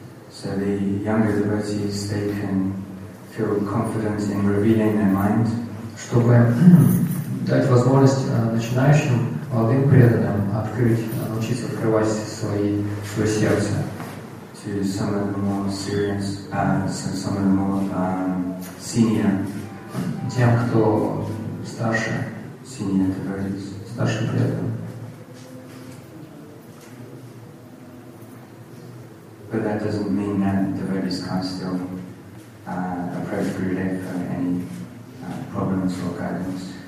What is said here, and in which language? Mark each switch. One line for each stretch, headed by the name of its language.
English: So the younger devotees, they can feel confident in revealing their mind.
Russian: Чтобы дать возможность начинающим молодым преданным научиться открывать свое сердце.
English: To some of the more serious, some of the more senior.
Russian: Тем, кто старше.
English: Senior devotees.
Russian: Старшим преданным.
English: But that doesn't mean that devotees can't still approach Gurudev for any problems or guidance.